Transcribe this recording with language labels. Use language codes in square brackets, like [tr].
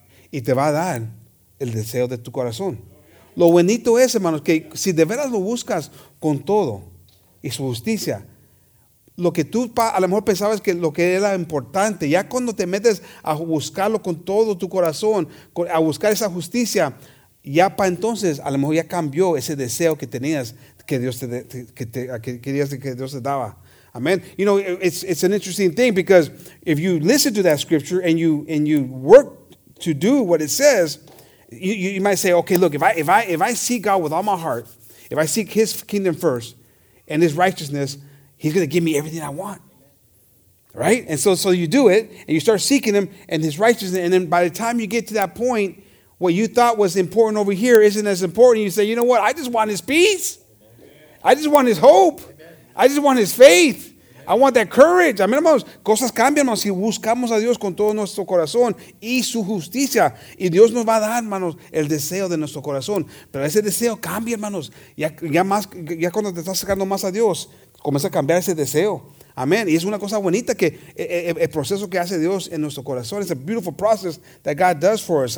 [es] Y te va a dar el deseo de tu corazón. Lo bonito es, hermanos, que si de veras lo buscas con todo y su justicia, lo que tú a lo mejor pensabas que lo que era importante, ya cuando te metes a buscarlo con todo tu corazón, a buscar esa justicia, ya para entonces, a lo mejor ya cambió ese deseo que tenías, que Dios te daba. Amen. [en] You know, it's an interesting thing, because if you listen to that scripture and you work to do what it says, you might say, okay, look, if I seek God with all my heart, if I seek his kingdom first and his righteousness, he's going to give me everything I want. Right? And so you do it, and you start seeking him and his righteousness, and then by the time you get to that point, what you thought was important over here isn't as important. You say, you know what? I just want his peace. I just want his hope. I just want his faith. I want that courage. [es] Amén, hermanos. Cosas cambian, hermanos. Si buscamos a Dios con todo nuestro corazón y su justicia. Y Dios nos va a dar, hermanos, el deseo de nuestro corazón. Pero ese deseo cambia, hermanos. Ya cuando te estás sacando más a Dios, comienza a cambiar ese deseo. Amen. Y es una cosa bonita que el proceso que hace Dios en nuestro corazón. [en] It's a beautiful process that God does for us.